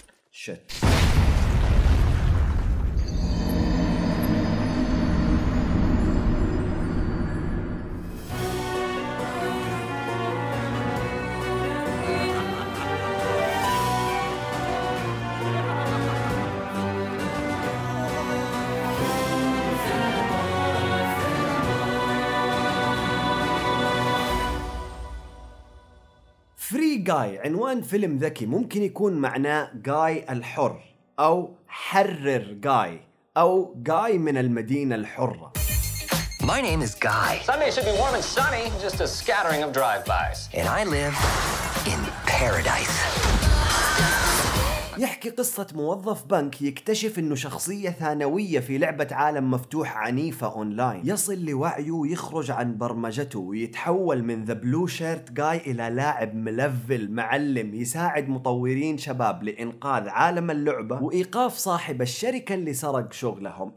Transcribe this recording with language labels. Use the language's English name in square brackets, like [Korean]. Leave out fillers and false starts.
[Arabic] شت جاي عنوان فيلم ذكي ممكن يكون معناه جاي الحر او حرر جاي او جاي من المدينة الحرة. [English] My name is Guy. Sunday should be warm and sunny, just a scattering of drive-bys. And I live in paradise. [Arabic] يحكي قصة موظف بنك يكتشف انه شخصية ثانوية في لعبة عالم مفتوح عنيفة اونلاين، يصل لوعيه ويخرج عن برمجته ويتحول من [English] the blue shirt guy [Arabic] الى لاعب ملفل معلم يساعد مطورين شباب لانقاذ عالم اللعبة وايقاف صاحب الشركة اللي سرق شغلهم.